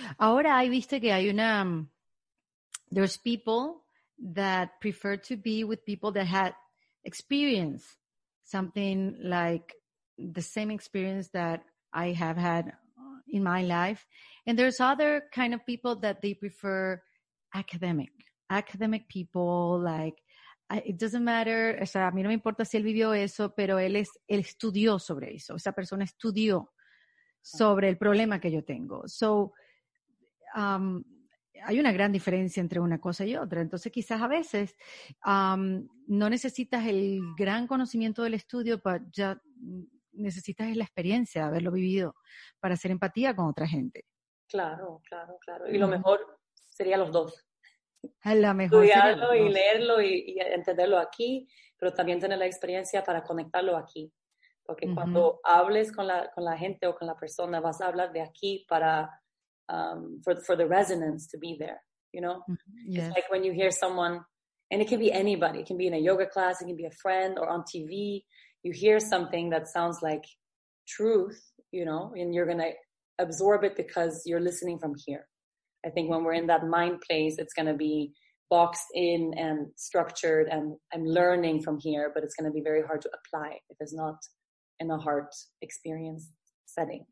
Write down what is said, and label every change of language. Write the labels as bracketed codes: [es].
[es] Ahora hay visto que hay una, [en] there's people that prefer to be with people that had experience something like the same experience that I have had in my life. And there's other kind of people that they prefer academic people. Like, it doesn't matter. [es] O sea, a mí no me importa si él vivió eso, pero él estudió sobre eso. Esa persona estudió sobre el problema que yo tengo. [en] So, [es] hay una gran diferencia entre una cosa y otra. Entonces, quizás a veces no necesitas el gran conocimiento del estudio, pero ya necesitas la experiencia de haberlo vivido para hacer empatía con otra gente. Claro, claro, claro. Y lo mejor sería los dos. La mejor estudiarlo y leerlo y entenderlo aquí, pero también tener la experiencia para conectarlo aquí. Porque uh-huh. cuando hables con la gente o con la persona, vas a hablar de aquí para, [en] for the resonance to be there, you know? Yes. It's like when you hear someone, and it can be anybody, it can be in a yoga class, it can be a friend or on TV, you hear something that sounds like truth, you know, and you're going to absorb it because you're listening from here. I think when we're in that mind place, it's going to be boxed in and structured, and I'm learning from here, but it's going to be very hard to apply if it's not in a heart experience setting.